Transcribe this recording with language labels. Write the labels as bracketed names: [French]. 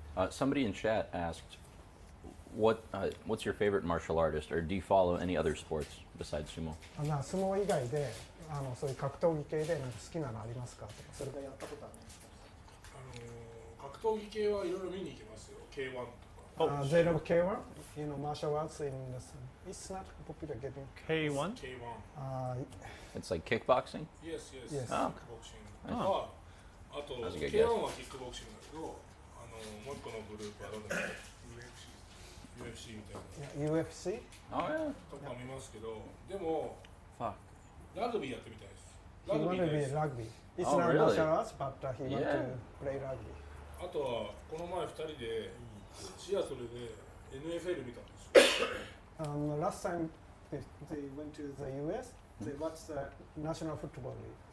[English] Somebody in chat asked, what's your favorite martial artist, or do you follow any other sports besides sumo? [Japanese] Sumo 以外で、あの、そういう格闘技系で好きなのありますか？それでやったことはないですか？格闘技系はいろいろ見に行きますよ。 K1 とか。 [English] Oh. They love K1? You know, martial arts in the... It's not popular getting... K1? K1. It's like kickboxing? Yes. Oh. Kickboxing. Oh. [Japanese] あと、K1 はキックボクシングだけど、あの、もう一個のグループはどんどん。 UFC みたいな。 [English] UFC? Oh, yeah. [Japanese] とか見ますけど、でも、ラグビーやってみたいです。ラグビーです。ラグビー。 [English] It's not martial arts, but he wants to play ラグビー。 [Japanese] あとは、この前2人で、シアトルで NFL 見たんですよ。 [English] last time they went to the US, they watched the National Football League.